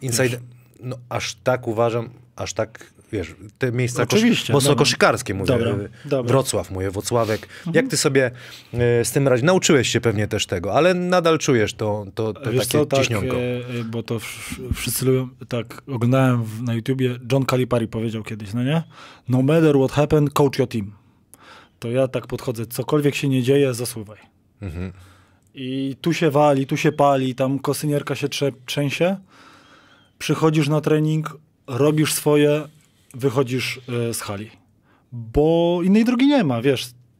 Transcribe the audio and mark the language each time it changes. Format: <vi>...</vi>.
<pl>Inside... No, aż tak uważam, aż tak... Wiesz, te miejsca koszykarskie, mówię. Dobra. Wrocław, mówię, Wocławek. Mhm. Jak ty sobie z tym radzisz? Nauczyłeś się pewnie też tego, ale nadal czujesz to wiesz takie co, ciśnionko. Tak, bo to wszyscy lubią, tak oglądałem na YouTubie, John Calipari powiedział kiedyś, no nie?</pl> <en>No matter what happened, coach your team.</en> <pl>To ja tak podchodzę, cokolwiek się nie dzieje, zasuwaj. Mhm. I tu się wali, tu się pali, tam kosynierka się trzęsie. Przychodzisz na trening, robisz swoje, wychodzisz z hali, bo innej drogi nie ma, wiesz.</pl>